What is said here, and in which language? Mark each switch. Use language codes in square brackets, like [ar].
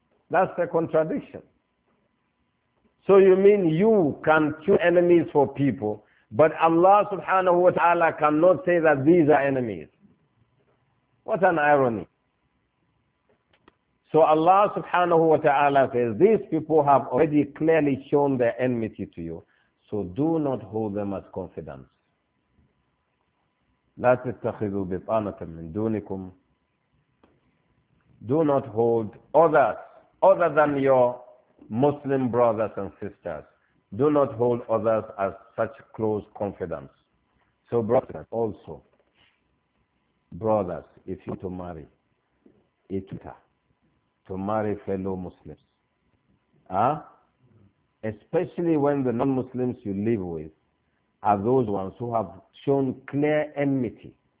[en] That's a contradiction. So you mean you can choose enemies for people, but Allah subhanahu wa ta'ala cannot say that these are enemies. What an irony. So Allah subhanahu wa ta'ala says, these people have already clearly shown their enmity to you, so do not hold them as confidants. [ar] لا تتخذوا بطانة من دونكم. [en] Do not hold others, other than your Muslim brothers and sisters, do not hold others as such close confidants. So brothers also, brothers, if you to marry, ita, to marry fellow Muslims, especially when the non-Muslims you live with are those ones who have shown clear enmity.